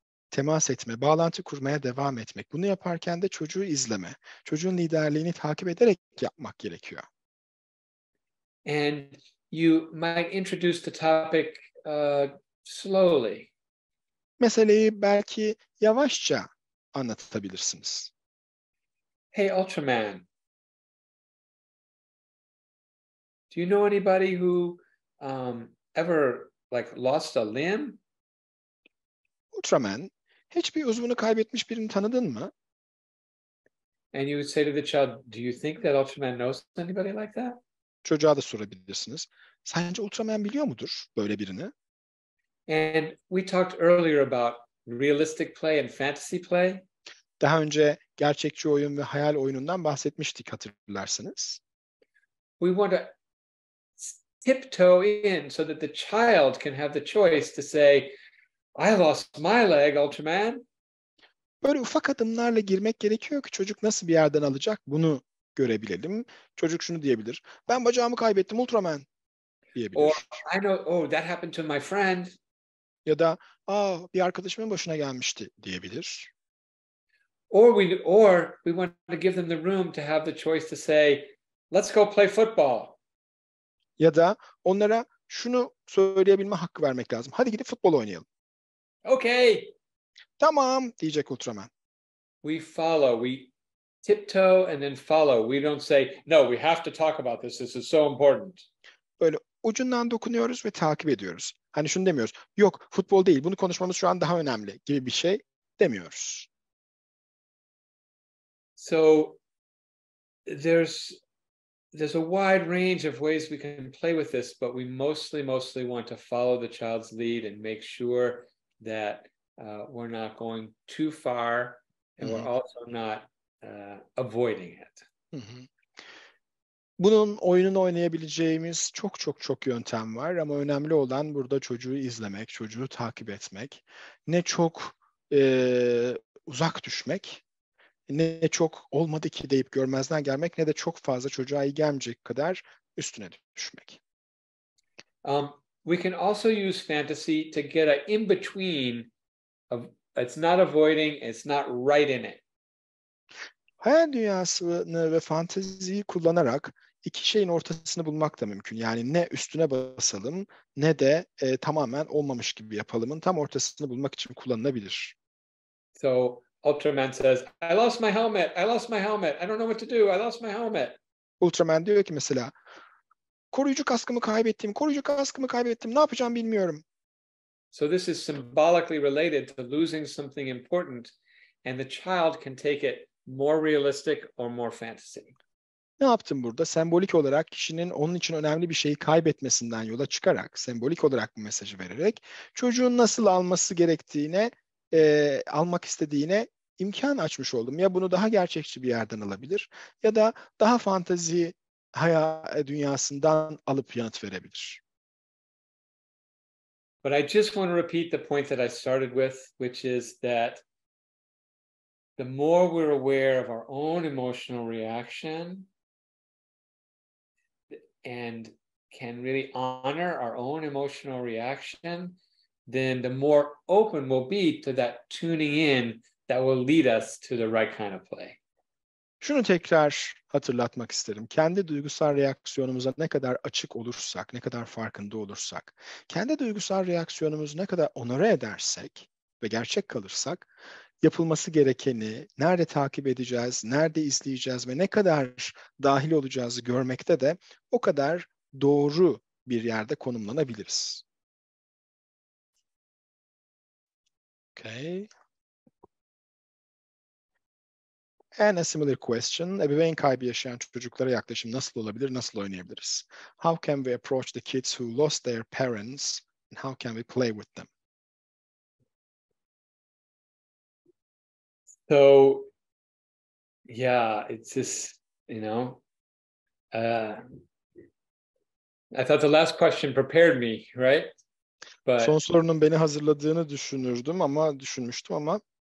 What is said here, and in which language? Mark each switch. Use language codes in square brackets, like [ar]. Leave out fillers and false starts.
[tr] Temas etme, bağlantı kurmaya devam etmek. Bunu yaparken de çocuğu izleme. Çocuğun liderliğini takip ederek yapmak gerekiyor. [en] And you might introduce the topic slowly. [tr] Meseleyi belki yavaşça anlatabilirsiniz. [en] Hey Ultraman. Do you know anybody who ever like lost a limb? [tr] Ultraman, hiç bir uzvunu kaybetmiş birini tanıdın mı? [en] And you would say to the child, do you think that Ultraman knows anybody like that? [tr] Çocuğa da sorabilirsiniz. Sence Ultraman biliyor mudur böyle birini? [en] And we talked earlier about realistic play and fantasy play. [tr] Daha önce gerçekçi oyun ve hayal oyunundan bahsetmiştik hatırlarsınız. [en] We want to tiptoe in so that the child can have the choice to say, I lost my leg, Ultraman. [tr] Böyle ufak adımlarla girmek gerekiyor ki çocuk nasıl bir yerden alacak bunu görebilelim. Çocuk şunu diyebilir. Ben bacağımı kaybettim, Ultraman diyebilir. [en] Or, I know, oh, that happened to my friend. [tr] Ya da, bir arkadaşımın başına gelmişti diyebilir. [en] Or we want to give them the room to have the choice to say, let's go play football. [tr] Ya da onlara şunu söyleyebilme hakkı vermek lazım. Hadi gidip futbol oynayalım. [en] Okay. [tr] Tamam diyecek Ultraman. [en] We follow. We tiptoe and then follow. We don't say, no, we have to talk about this. This is so important. [tr] Böyle ucundan dokunuyoruz ve takip ediyoruz. Hani şunu demiyoruz. Yok, futbol değil. Bunu konuşmamız şu an daha önemli gibi bir şey demiyoruz. [en] So there's a wide range of ways we can play with this, but we mostly want to follow the child's lead and make sure that we're not going too far and we're also not avoiding it. [tr] Bunun oyunun oynayabileceğimiz çok çok çok yöntem var ama önemli olan burada çocuğu izlemek, çocuğu takip etmek. Ne çok uzak düşmek, ne çok olmadı ki deyip görmezden gelmek, ne de çok fazla çocuğa iyi gelmeyecek kadar üstüne düşmek. [en] We can also use fantasy to get an in between of it's not avoiding, it's not right in it. [tr] Hayal dünyasını ve fanteziyi kullanarak iki şeyin ortasını bulmak da mümkün. Yani ne üstüne basalım ne de tamamen olmamış gibi yapalımın tam ortasını bulmak için kullanılabilir. [en] So Ultraman says, I lost my helmet, I lost my helmet, I don't know what to do, I lost my helmet. [tr] Ultraman diyor ki mesela, koruyucu kaskımı kaybettim, ne yapacağım bilmiyorum. [en] So this is symbolically related to losing something important and the child can take it more realistic or more fantasy. [tr] Ne yaptım burada? Sembolik olarak kişinin onun için önemli bir şeyi kaybetmesinden yola çıkarak, sembolik olarak bu mesajı vererek çocuğun nasıl alması gerektiğine, almak istediğine imkan açmış oldum. Ya bunu daha gerçekçi bir yerden alabilir ya da daha fantezi hayal dünyasından alıp yanıt verebilir. [en] But I just want to repeat the point that I started with, which is that the more we're aware of our own emotional reaction and can really honor our own emotional reaction, then the more open we'll be to that tuning in that will lead us to the right kind of play. [tr] Şunu tekrar hatırlatmak isterim. Kendi duygusal reaksiyonumuza ne kadar açık olursak, ne kadar farkında olursak, kendi duygusal reaksiyonumuzu ne kadar onore edersek ve gerçek kalırsak, yapılması gerekeni, nerede takip edeceğiz, nerede izleyeceğiz ve ne kadar dahil olacağızı görmekte de o kadar doğru bir yerde konumlanabiliriz. [en] Okay. And a similar question. [tr] Ebeveyn kaybı yaşayan çocuklara yaklaşım nasıl olabilir, nasıl oynayabiliriz? [en] How can we approach the kids who lost their parents and how can we play with them? So, yeah, it's just, you know, I thought the last question prepared me, right? [tr] But son sorunun beni hazırladığını düşünürdüm ama düşünmüştüm ama